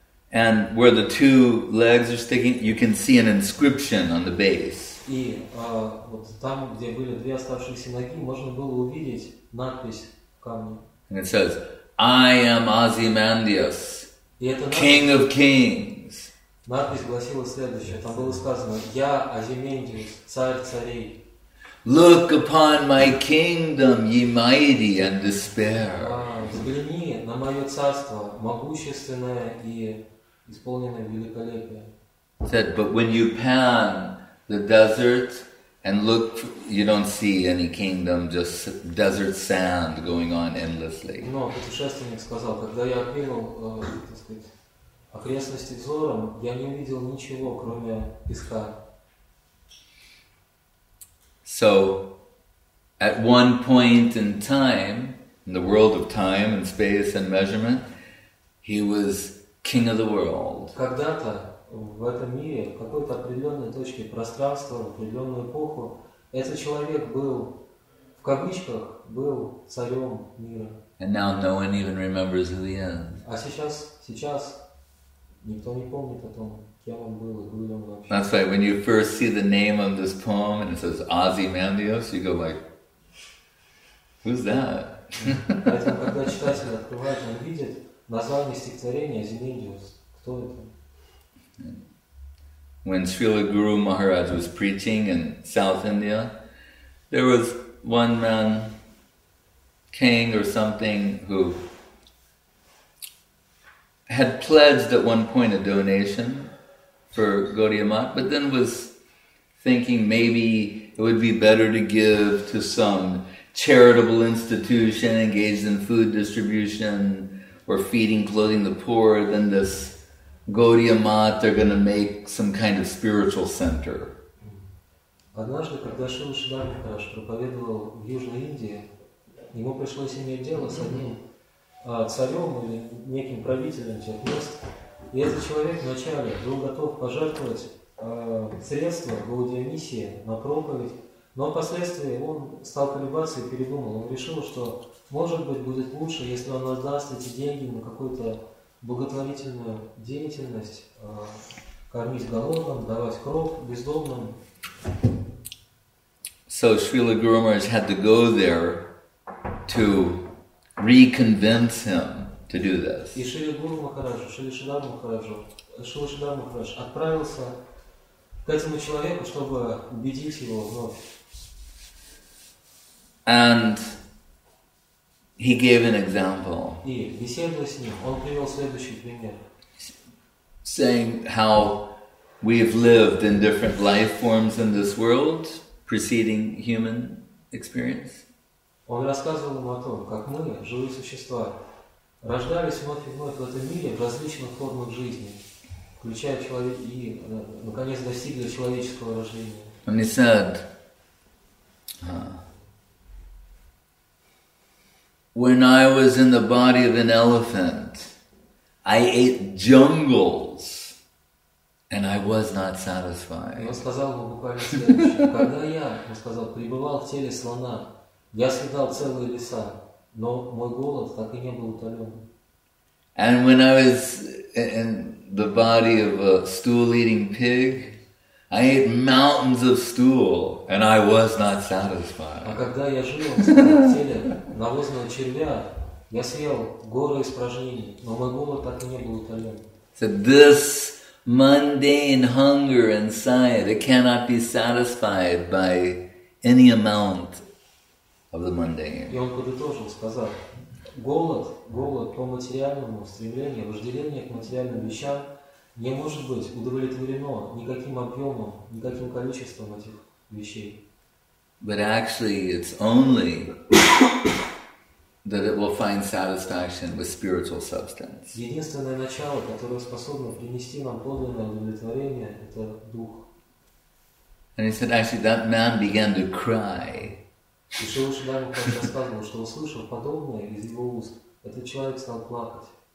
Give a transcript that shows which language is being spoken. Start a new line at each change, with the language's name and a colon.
English: And where the two legs are sticking, you can see an inscription on the base.
Russian: И вот там, где были две оставшиеся ноги, можно было увидеть надпись.
English: And it says, I am Ozymandias, King of Kings.
Russian: Надпись гласила следующее. Там было сказано, Я Ozymandias, царь царей.
English: Look upon my kingdom, ye mighty, and despair.
Russian: Взгляни на мое царство, могущественное и исполненное великолепие.
English: Said, but when you pan the desert, and look, you don't see any kingdom, just desert sand going on endlessly.
Russian: Но путешественник сказал, когда я окинул, так сказать, окрестности взором, я не увидел ничего, кроме песка.
English: So, at one point in time, in the world of time and space and measurement, he was king of the world.
Russian: Когда-то в этом мире, в какой-то определенной точке пространства, в определенную эпоху, этот человек был, в кавычках, был царем мира.
English: And now no one even remembers who he is.
Russian: А сейчас никто не помнит о том, кем он был и был ли он вообще.
English: That's right, when you first see the name of this poem and it says Ozymandias, you go like, who's that?
Russian: Поэтому, когда читатель открывает, он видит название стихотворения Ozymandias, кто это?
English: When Srila Guru Maharaj was preaching in South India, there was one man, king or something, who had pledged at one point a donation for Gaudiya Math, but then was thinking maybe it would be better to give to some charitable institution engaged in food distribution or feeding, clothing the poor than this Gaudiya Math, they're going to make some kind of spiritual center.
Russian: Однажды, когда Шрила Сиддхарта Махарадж проповедовал в Южной Индии, ему пришлось иметь дело с одним царем или неким правителем тех мест. И этот человек вначале был готов пожертвовать средства Гаудия Миссии на проповедь, но впоследствии он стал колебаться и передумал. Он решил, что, может быть, будет лучше, если он отдаст эти деньги на какой-то благотворительную деятельность, кормить голодным, давать кров бездомным.
English: So Srila Guru Maharaj had to go there to reconvince him to do this.
Russian: И Шрила Гуру Махараджа, Шрила Сиддхарта Махараджа, Шрила Сиддхарта Махарадж отправился к этому человеку, чтобы убедить его вновь.
English: And he gave an example.
Russian: И беседуя с ним, он привел следующий пример.
English: Saying how we've lived in different life forms in this world, preceding human experience.
Russian: Он рассказывал ему о том, как мы, живые существа, рождались вновь и вновь в этом мире в различных формах жизни, включая человек и, наконец, достигли человеческого рождения.
English: And he said, when I was in the body of an elephant, I ate jungles. And I was not satisfied.
Russian: Он сказал ему буквально следующее. Когда я, он сказал, пребывал в теле слона, я съедал целые леса, но мой голод так и не был утолен.
English: And when I was in the body of a stool-eating pig, I ate mountains of stool, and I was not satisfied.
Russian: А когда я жил, он сказал, в теле навозного червя, я съел горы испражнений, но мой голод так и не был утолен.
English: So this mundane hunger inside, it cannot be satisfied by any amount of the mundane.
Russian: И он подытожил, сказав, голод по материальному стремлению, вожделение к материальным вещам не может быть удовлетворено никаким объемом, никаким количеством этих вещей.
English: But actually, it's only that it will find satisfaction with spiritual substance.
Russian: Единственное начало, которое способно принести нам подлинное удовлетворение, это дух.
English: And he said, actually, that man began to cry.
Russian: И Шрила Шридхара Махарадж рассказывал, что услышав подобное из его уст, этот человек стал плакать.